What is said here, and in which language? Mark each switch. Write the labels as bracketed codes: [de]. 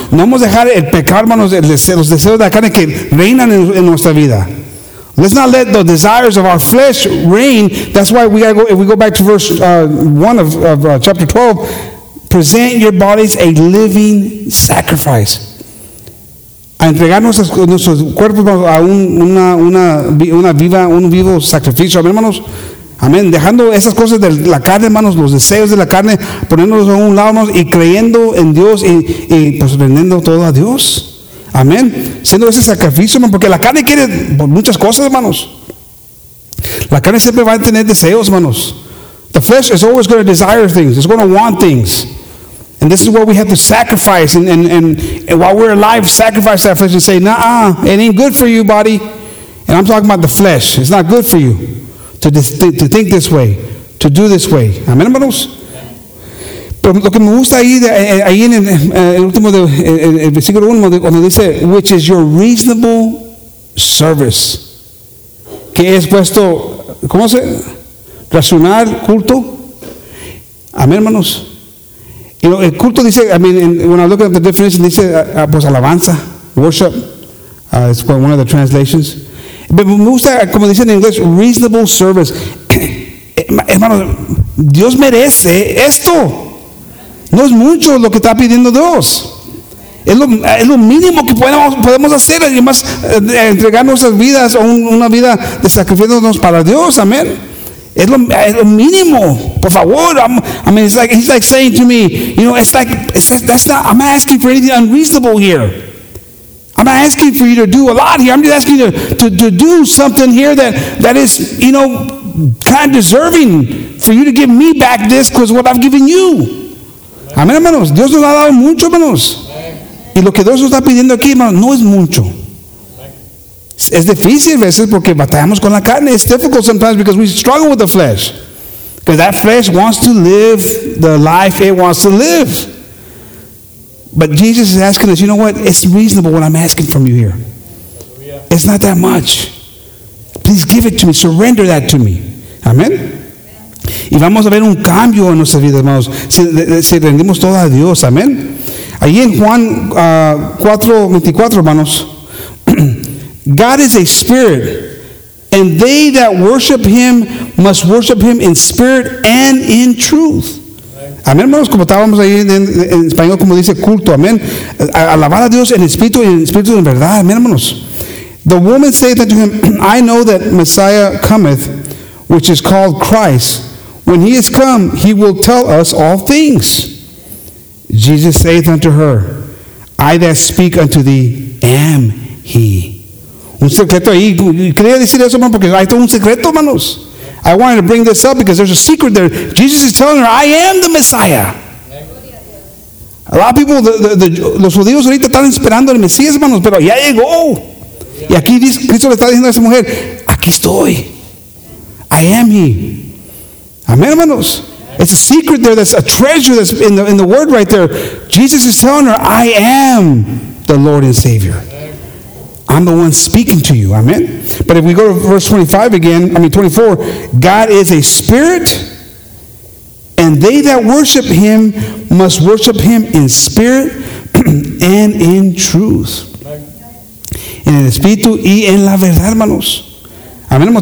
[es] No vamos a dejar el pecado, hermanos, los deseos de la carne que reinan en nuestra vida. [en] Let's not let the desires of our flesh reign. That's why we gotta go, if we go back to verse 1 of chapter 12, present your bodies a living sacrifice. [es] A entregar nuestros cuerpos a un vivo sacrificio. Amén, hermanos. Amén. Dejando esas cosas de la carne, hermanos, los deseos de la carne, poniéndolos a un lado, hermanos, y creyendo en Dios y pues rendiendo todo a Dios. Amén. Siendo ese sacrificio, hermanos, porque la carne quiere muchas cosas, hermanos. La carne siempre va a tener deseos, hermanos. [en] The flesh is always going to desire things. It's going to want things. And this is what we have to sacrifice. And while we're alive, sacrifice that flesh and say, nah, it ain't good for you, body. And I'm talking about the flesh. It's not good for you to think this way, to do this way. Amén, hermanos. [es] lo que me gusta ahí, ahí en el último de, el versículo 1, cuando dice, which is your reasonable service. Que es puesto, ¿cómo se? Racional, culto. Amén, hermanos. Y lo, el culto dice, I mean, in, when I look at the definition, dice, pues alabanza, worship. [en] It's called one of the translations. [es] Pero me gusta, como dice en inglés, reasonable service. Hermano, Dios merece esto. No es mucho lo que está pidiendo Dios. Es lo mínimo que podemos, podemos hacer. Además, entregar nuestras vidas o un, una vida de sacrificándonos para Dios. Amén. Es lo mínimo. Por favor. [en] I'm, I mean, it's like, he's like saying to me, you know, it's like, that's not, I'm not asking for anything unreasonable here. I'm not asking for you to do a lot here. I'm just asking you to do something here that, that is, you know, kind of deserving for you to give me back this because what I've given you. [es] Amén, hermanos. Dios nos ha dado mucho, hermanos. Y lo que Dios nos está pidiendo aquí, hermanos, no es mucho. Es difícil a veces porque batallamos con la carne. [en] It's difficult sometimes because we struggle with the flesh. Because that flesh wants to live the life it wants to live. But Jesus is asking us, you know what? It's reasonable what I'm asking from you here. It's not that much. Please give it to me. Surrender that to me. Amen. [es] Y vamos a ver un cambio en nuestras vidas, hermanos. Si rendimos todo a Dios. Amen. Ahí en Juan 4:24, hermanos. [en] God is a spirit, and they that worship him must worship him in spirit and in truth. [es] Amén, hermanos, como estábamos ahí en español, como dice culto, amén. Alabar a Dios en espíritu en verdad, amén, hermanos. [en] The woman saith unto him, I know that Messiah cometh, which is called Christ. When he is come, he will tell us all things. Jesus saith unto her, I that speak unto thee am he. Un secreto ahí. [es] Quería decir eso, hermano, porque hay todo un secreto, hermanos. [en] I wanted to bring this up because there's a secret there. Jesus is telling her, I am the Messiah. A lot of people, los judíos ahorita están esperando el Mesías, hermanos, pero ya llegó. [es] Y aquí dice, Cristo le está diciendo a esa mujer, aquí estoy. [en] I am he. Amén, hermanos. It's a secret there, that's a treasure that's in the word right there. Jesus is telling her, I am the Lord and Savior. I'm the one speaking to you. Amen. But if we go to verse 25 again, I mean 24, God is a spirit, and they that worship him must worship him in spirit and in truth. [es] En el espíritu y en la verdad, hermanos. Amén, hermanos.